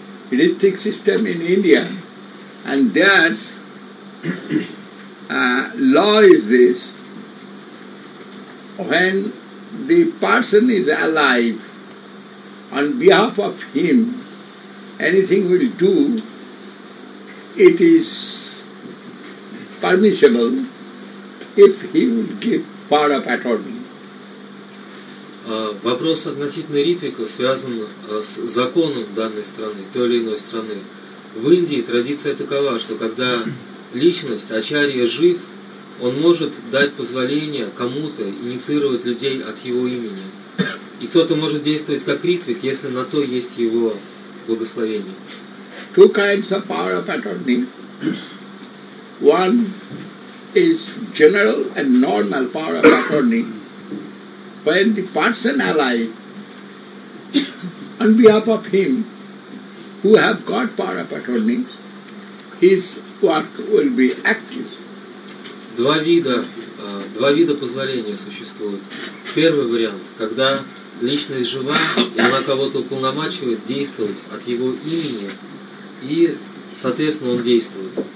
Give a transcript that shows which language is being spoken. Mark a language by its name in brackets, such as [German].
[English] Ritvik system in India, and there law is this: when the person is alive, on behalf of him, anything will do, it is permissible if he would give power of attorney. [Russian] Вопрос относительно ритвика связан с законом данной страны, той или иной страны. В Индии традиция такова, что когда личность, ачарья, жив, он может дать позволение кому-то инициировать людей от его имени. И кто-то может действовать как ритвик, если на то есть его благословение. [English] Two kinds of power of attorney. One is general and normal power of attorney. When the person alive, on behalf of him, who have got power of attorney, his work will be active. [Russian] Два вида позволения существуют. Первый вариант, когда личность жива, и она кого-то уполномачивает действовать от его имени, и, соответственно, он действует.